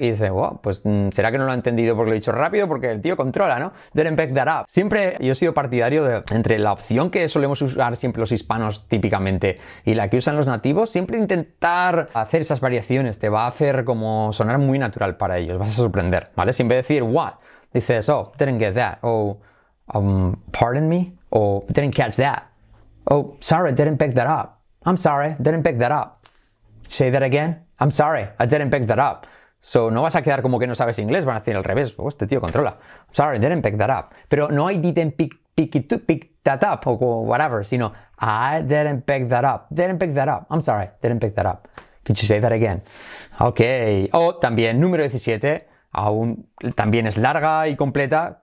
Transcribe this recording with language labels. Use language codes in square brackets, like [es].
[es] Y dice, wow, pues será que no lo ha entendido porque lo he dicho rápido, porque el tío controla, ¿no? [en] Didn't pick that up. [es] Siempre yo he sido partidario de entre la opción que solemos usar siempre los hispanos típicamente y la que usan los nativos, siempre intentar hacer esas variaciones te va a hacer como sonar muy natural para ellos. Vas a sorprender, ¿vale? Si en vez de decir what, dices, oh, [en] didn't get that. O, pardon me. O, didn't catch that. O, sorry, didn't pick that up. I'm sorry, didn't pick that up. Say that again. I'm sorry, I didn't pick that up. [es] So, no vas a quedar como que no sabes inglés, van a decir al revés. [en] Oh, [es] este tío controla. [en] I'm sorry, I didn't pick that up. [es] Pero no [en] I didn't pick that up o whatever, [es] sino [en] I didn't pick that up. Didn't pick that up. I'm sorry, didn't pick that up. Could you say that again? Okay. [es] O también, número 17, aún también es larga y completa.